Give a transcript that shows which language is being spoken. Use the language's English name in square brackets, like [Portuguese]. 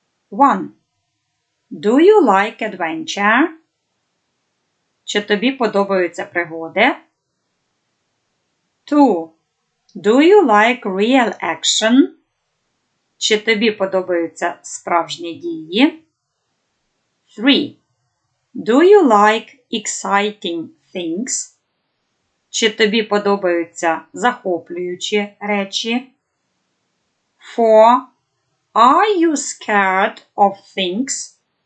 [English] 1. Do you like adventure? [Ukrainian] Чи тобі подобаються пригоди? [English] 2. Do you like real action? [Ukrainian] Чи тобі подобаються справжні дії? 3. [English] Do you like exciting things? [Ukrainian] Чи тобі подобаються захоплюючі речі? 4. [English] Are you scared of things?